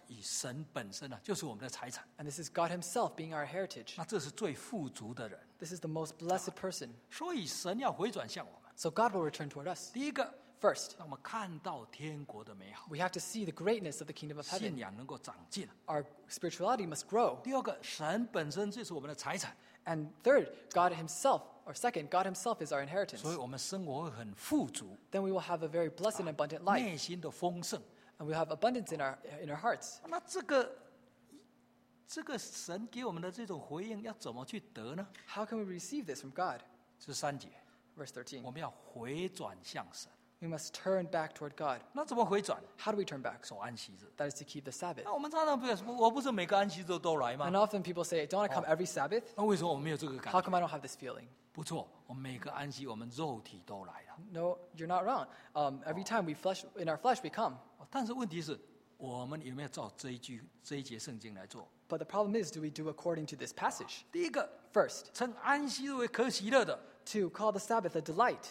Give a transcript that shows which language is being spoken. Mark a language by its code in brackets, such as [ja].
[zh] 就是以神本身啊, 就是我们的财产, [en] and this is God himself being our heritage. [zh] 那这是最富足的人, [en] this is the most blessed person. [zh] 所以神要回转向我们, [en] so God will return toward us. [zh] 第一个, [en] first, [zh] 让我们看到天国的美好, [en] we have to see the greatness of the kingdom of heaven. [zh] 信仰能够长进, [en] our spirituality must grow. [zh] 第二个, 神本身就是我们的财产, [en] and third, God himself, or second, God himself is our inheritance. [zh] 所以我们生活很富足, [en] then we will have a very blessed and abundant life. [zh] 内心的丰盛, [en] and we have abundance in our hearts. [zh] 那这个神给我们的这种回应要怎么去得呢? [en] How can we receive this from God? [zh] 是三节, [en] verse 13. [zh] 我们要回转向神, [en] we must turn back toward God. [zh] 那怎么回转? [en] How do we turn back? [zh] 守安息日, [en] that is to keep the Sabbath. [zh] 那我们常常不是每个安息日都来吗? [en] And often people say, don't I come every Sabbath? [zh] 那为什么我没有这个感觉? [en] How come I don't have this feeling? [zh] 不错, 我们每个安息我们肉体都来了。 [en] No, you're not wrong. Every time we flesh, in our flesh we come. [zh] 但是问题是, 我们有没有照这一句,这一节圣经来做? [en] But the problem is, do we do according to this passage? [zh] 第一个, [en] first, [zh] 称安息日为可喜乐的, [en] to call the Sabbath a delight.